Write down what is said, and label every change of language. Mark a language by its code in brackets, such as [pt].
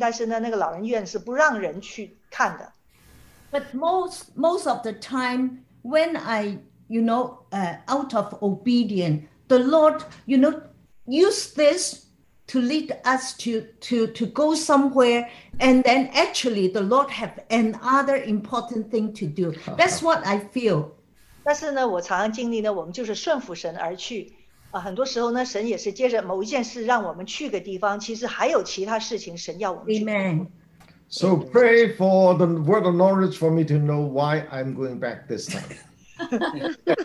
[zh] 他是凭信心去的，因为他想去看他的母亲，但是呢，那个老人院是不让人去看的。 [en] But most of the time, when I, you know, out of obedience, the Lord, you know, use this to lead us to go somewhere, and then actually the Lord have another important thing to do. That's what I feel. [zh] 但是呢，我常常经历呢，我们就是顺服神而去，很多时候呢，神也是接着某一件事让我们去个地方，其实还有其他事情神要我们去。Amen. [en] So pray for the word of knowledge for me to know why I'm going back this time.